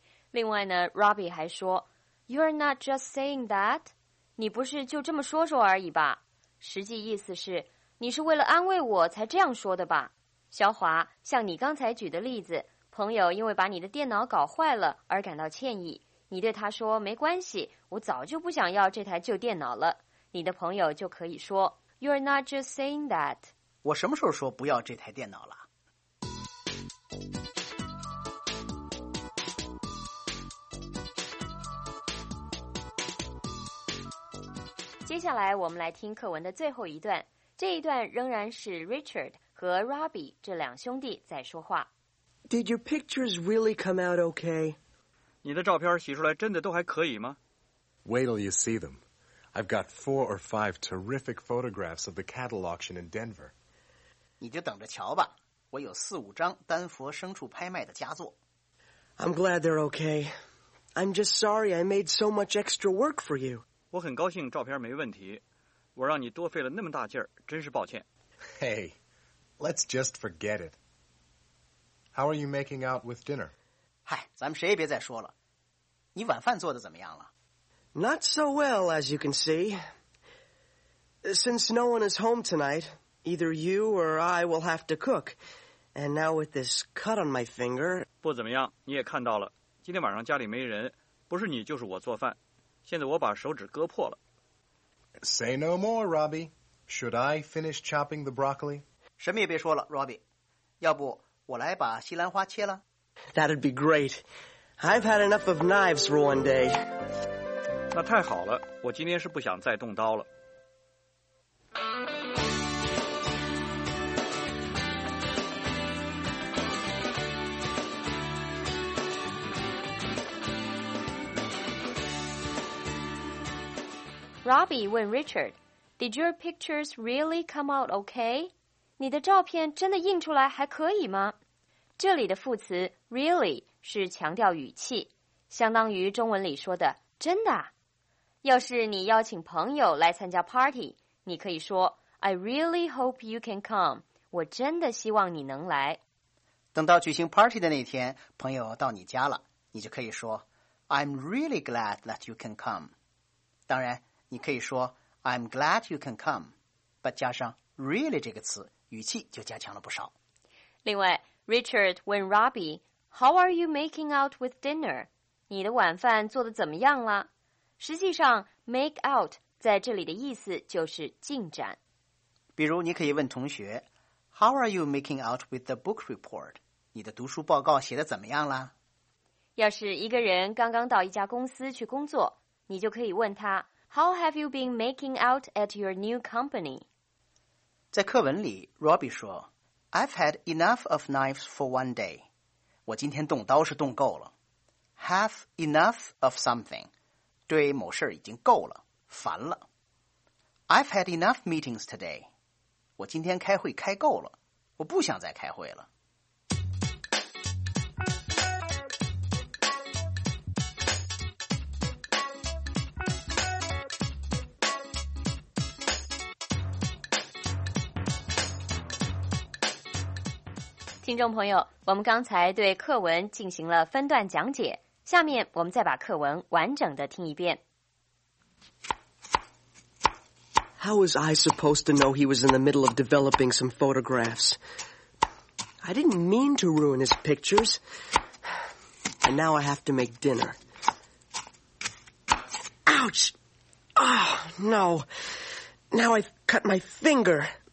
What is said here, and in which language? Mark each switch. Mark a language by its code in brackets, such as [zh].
[zh] 另外呢， [en] Robbie [zh] 还说 [en] You're not just saying that. [zh] 你不是就这么说说而已吧？实际意思是你是为了安慰我才这样说的吧？小华，像你刚才举的例子，朋友因为把你的电脑搞坏了而感到歉意，你对他说没关系，我早就不想要这台旧电脑了。你的朋友就可以说 [en] You're not just saying that. [zh] 我什么时候说不要这台电脑了？接下来我们来听课文的最后一段，这一段仍然是 Richard 和 Robbie 这两兄弟在说话。 [en] Did your pictures really come out okay? [zh] 你的照片洗出来真的都还可以吗？ [en] Wait till you see them. I've got 4 or 5 terrific photographs of the cattle auction in Denver. [zh] 你就等着瞧吧，我有4-5张丹佛牲畜拍卖的佳作。 [en] I'm glad they're okay. I'm just sorry I made so much extra work for you. [zh] 我很高兴照片没问题，我让你多费了那么大劲儿，真是抱歉。 [en] Hey, let's just forget it. How are you making out with dinner? [zh] 嗨，咱们谁也别再说了。你晚饭做得怎么样了？ [en] Not so well, as you can see. Since no one is home tonight, either you or I will have to cook. And now with this cut on my finger... [zh] 不怎么样，你也看到了，今天晚上家里没人，不是你就是我做饭。现在我把手指割破了。 [en] Say no more, Robbie. Should I finish chopping the broccoli? [zh] 什么也别说了， Robbie. 要不我来把西兰花切了？ [en] That'd be great. I've had enough of knives for one day. [zh] 那太好了，我今天是不想再动刀了。 [en] Robbie [zh] 问 [en] Richard, Did your pictures really come out okay? [zh] 你的照片真的印出来还可以吗？这里的副词 really 是强调语气，相当于中文里说的真的。要是你邀请朋友来参加 party， 你可以说 [en] I really hope you can come， [zh] 我真的希望你能来。等到举行 party 的那天，朋友到你家了，你就可以说 [en] I'm really glad that you can come。 [zh] 当然你可以说 [en] I'm glad you can come， [zh] but 加上 really 这个词，语气就加强了不少。另外 [en] Richard [zh] 问 [en] Robbie, How are you making out with dinner? [zh] 你的晚饭做得怎么样了？实际上 make out 在这里的意思就是进展。比如你可以问同学 [en] How are you making out with the book report? [zh] 你的读书报告写得怎么样了？要是一个人刚刚到一家公司去工作，你就可以问他 [en] How have you been making out at your new company? [zh] 在课文里 [en] Robbie [zh] 说 [en] I've had enough of knives for one day. [zh] 我今天动刀是动够了。 [en] Have enough of something. [zh] 对某事已经够了，烦了。 [en] I've had enough meetings today. [zh] 我今天开会开够了，我不想再开会了。听众朋友，我们刚才对课文进行了分段讲解，下面我们再把课文完整的听一遍。 [en] How was I supposed to know he was in the middle of developing some photographs? I didn't mean to ruin his pictures. And now I have to make dinner. Ouch! Oh, no! Now I've cut my finger!